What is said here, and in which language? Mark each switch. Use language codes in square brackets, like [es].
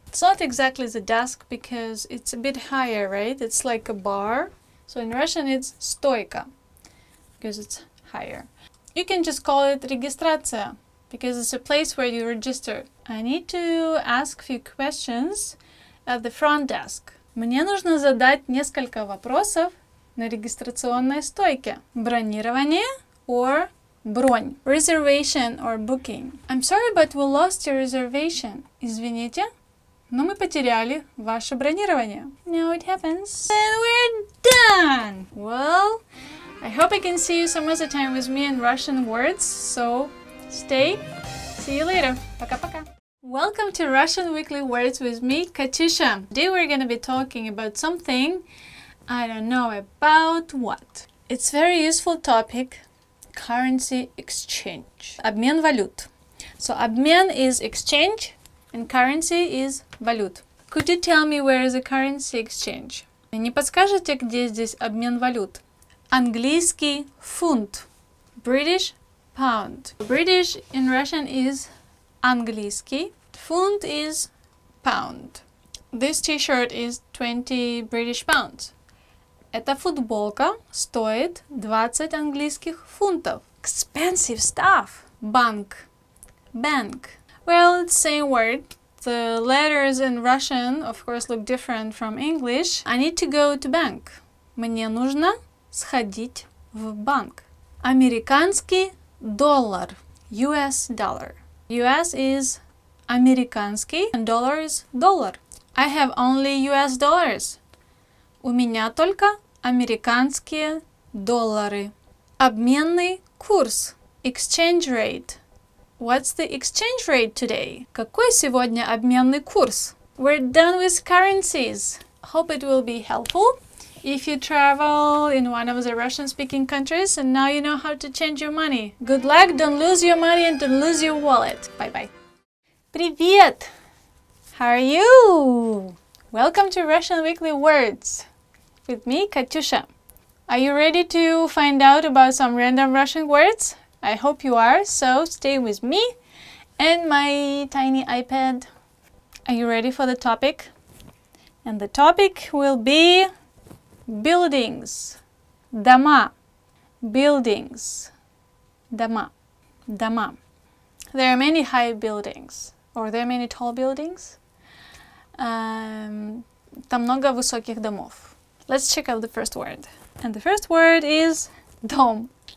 [en] It's not exactly the desk because it's a bit higher, right? It's like a bar. So in Russian it's стойка because it's higher. You can just call it регистрация because it's a place where you register. I need to ask a few questions at the front desk. [ru] Мне нужно задать несколько вопросов на регистрационной стойке. Бронирование or бронь. [en] Reservation or booking. I'm sorry, but we lost your reservation. [ru] Извините. Но мы потеряли ваше бронирование. [en] Now it happens. And we're done! Well, I hope I can see you some other time with me in Russian words. So, stay. See you later. [ru] Пока-пока. [en] Welcome to Russian Weekly Words with me, Катюша. Today we're going to be talking about something I don't know about what. It's a very useful topic. Currency exchange. [ru] Обмен валют. [en] So, обмен is exchange. And currency is валют. Could you tell me where is the currency exchange? [ru] Не подскажете, где здесь обмен валют? Английский фунт. [en] British pound. British in Russian is английский. Фунт is pound. This t-shirt is 20 British pounds. [ru] Эта футболка стоит 20 английских фунтов. [en] Expensive stuff. [ru] Банк. [en] Bank. Well, it's same word. The letters in Russian, of course, look different from English. I need to go to bank. [ru] Мне нужно сходить в банк. Американский доллар. [en] US dollar. US is американский, and dollar is dollar. I have only US dollars. [ru] У меня только американские доллары. Обменный курс. [en] Exchange rate. What's the exchange rate today? [ru] Какой сегодня обменный курс? [en] We're done with currencies. Hope it will be helpful if you travel in one of the Russian-speaking countries and now you know how to change your money. Good luck, don't lose your money and don't lose your wallet. Bye-bye. [ru] Привет! [en] How are you? Welcome to Russian Weekly Words with me, Катюша. Are you ready to find out about some random Russian words? I hope you are, so stay with me and my tiny iPad. Are you ready for the topic? And the topic will be buildings. Дома. Buildings. Дома. Дома. There are many high buildings. Or there are many tall buildings. [ru] Там много высоких домов. [en] Let's check out the first word. And the first word is дом.